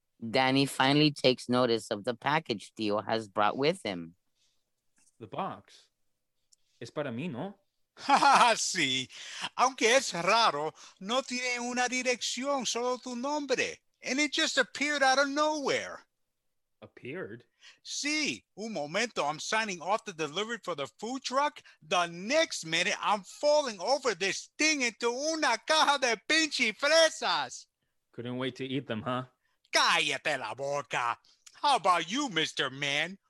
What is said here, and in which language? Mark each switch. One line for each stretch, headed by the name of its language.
English: Danny finally takes notice of the package Theo has brought with him. The box?
Spanish: Es para mí, ¿no? Ah, sí. Aunque es raro, no tiene una dirección, solo tu nombre.
English: And it just appeared out of nowhere. Appeared?
Spanish: Sí. Un momento,
English: I'm signing off the delivery for the food truck. The next minute, I'm falling over this thing into
Spanish: una caja de pinche fresas.
English: Couldn't wait to eat them, huh?
Spanish: Cállate la boca.
English: How about you, Mr. Man?